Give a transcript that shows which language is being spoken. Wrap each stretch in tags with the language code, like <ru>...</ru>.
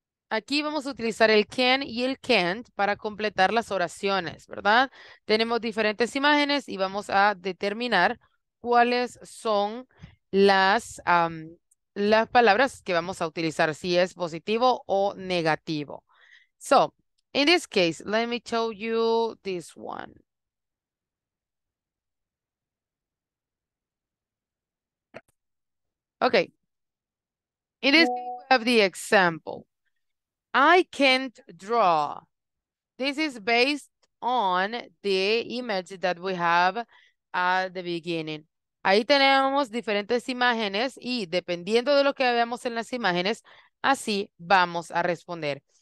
<es>Aquí vamos a utilizar el can y el can't para completar las oraciones, ¿verdad? Tenemos diferentes imágenes y vamos a determinar cuáles son las palabras que vamos a utilizar, si es positivo o negativo.</es> <en>So, in this case, let me show you this one. Okay. In this case, we have the example. I can't draw. This is based on the image that we have at the beginning.</en> <es>Ahí tenemos diferentes imágenes y dependiendo de lo que veamos en las imágenes, así vamos a responder.</es>